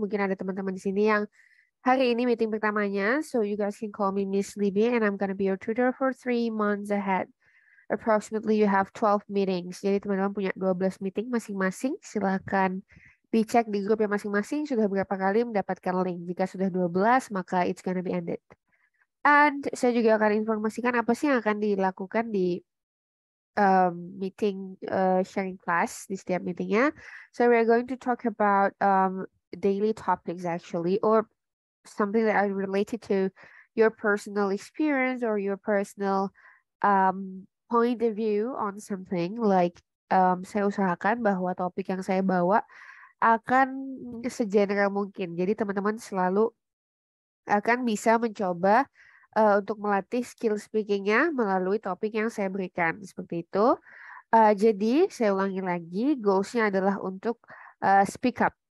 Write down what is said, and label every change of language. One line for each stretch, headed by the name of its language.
Indonesian: Mungkin ada teman-teman di sini yang hari ini meeting pertamanya.
English: So you guys can call me Miss Libby, and I'm gonna be your tutor for 3 months ahead. Approximately you have 12 meetings.
Indonesian: Jadi teman-teman punya 12 meeting masing-masing. Silakan dicek di grup yang masing-masing sudah berapa kali mendapatkan link. Jika sudah 12, maka
English: it's gonna be ended.
Indonesian: And saya juga akan informasikan apa sih yang akan dilakukan di meeting sharing class di setiap meetingnya.
English: So we are going to talk about daily topics actually, or something that are related to your personal experience or your personal point of view on something.
Indonesian: Like saya usahakan bahwa topik yang saya bawa akan se-general mungkin. Jadi teman-teman selalu akan bisa mencoba untuk melatih skill speakingnya melalui topik yang saya berikan. Seperti itu. Jadi saya ulangi lagi, goalsnya adalah untuk speak up.